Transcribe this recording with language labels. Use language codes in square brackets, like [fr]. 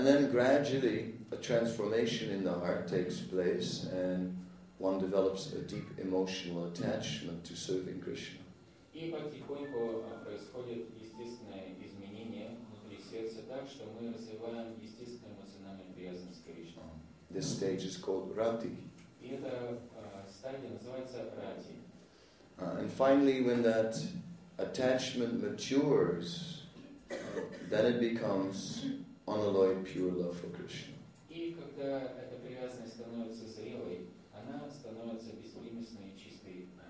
[en] gradually a transformation in the heart takes place and one develops a deep emotional attachment to serving Krishna. [ru] И потихоньку происходит естественное изменение внутри сердца так, что мы развиваем естественную эмоциональную привязанность к Кришне. [en] This stage is called Rati. [ru] И эта стадия называется Rati. [en] And finally, when that attachment matures, then it becomes unalloyed pure love for Krishna. [ru] И когда эта привязанность становится зрелой, она становится беспримесной и чистой.